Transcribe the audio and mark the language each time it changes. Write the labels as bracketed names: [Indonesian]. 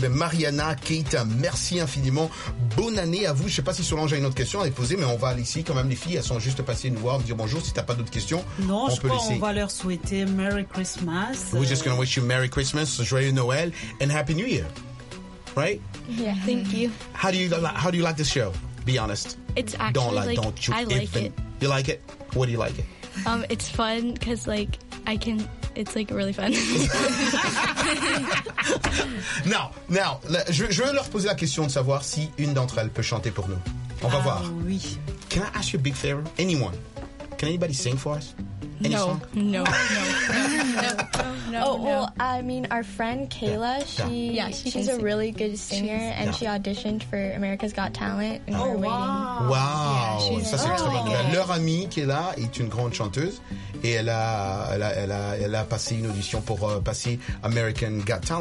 [French] Mais Mariana, Kate, merci infiniment, bonne année à vous. Je sais pas si Solange a une autre question à les poser, mais on va aller ici quand même. Les filles, elles sont juste passées nous voir, me dire bonjour. Si t'as pas d'autres questions, non, on peut laisser. On va leur souhaiter Merry Christmas. [English] We're just gonna wish you Merry Christmas, [French] joyeux Noël, [English] and Happy New Year, right? Yeah, thank you. How do you like the show? Be honest. It's actually don't like, don't you I like even, it. You like it? What do you like it? It's fun because like I can. It's like really fun. [French] Now, je veux leur poser la question de savoir si une d'entre elles peut chanter pour nous. On va voir. Oui. [English] Can I ask you a big favor? Anyone? Can anybody sing for us? Any no. Song? No. No. Oh, well, I mean, our friend Kayla, she's a really good singer, and she auditioned for America's Got Talent. And oh, wow. Wow. Yeah, [French] ça, c'est très bien. Leur amie, Kayla, est une grande chanteuse, et elle a passé une audition pour passer American Got Talent.